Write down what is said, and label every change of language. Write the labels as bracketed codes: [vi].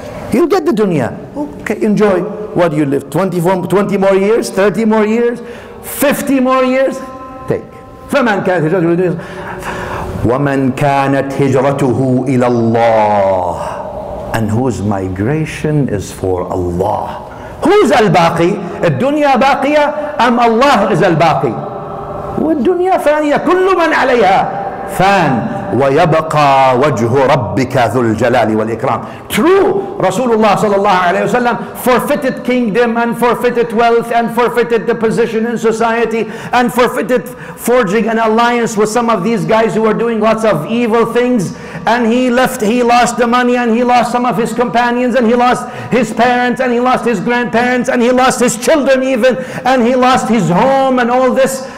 [en] He'll get the dunya. Okay, enjoy. What do you live? 20 more years? 30 more years? 50 more years? Take. [ar] فَمَنْ كَانَتْ هِجْرَتُهُ لِدُنْيَا وَمَنْ كَانَتْ هِجْرَتُهُ إِلَى اللَّهِ. [en] And whose migration is for Allah. Who's al-baqi? Al-dunya baqiya? Am Allah is al-baqi? [ar] والدنيا فانية كل من عليها فان ويبقى وجه ربك ذو الجلال والإكرام. [en] True, Rasulullah sallallahu alayhi wa sallam forfeited kingdom and forfeited wealth and forfeited the position in society and forfeited forging an alliance with some of these guys who were doing lots of evil things, and he lost the money and he lost some of his companions and he lost his parents and he lost his grandparents and he lost his children even and he lost his home and all this.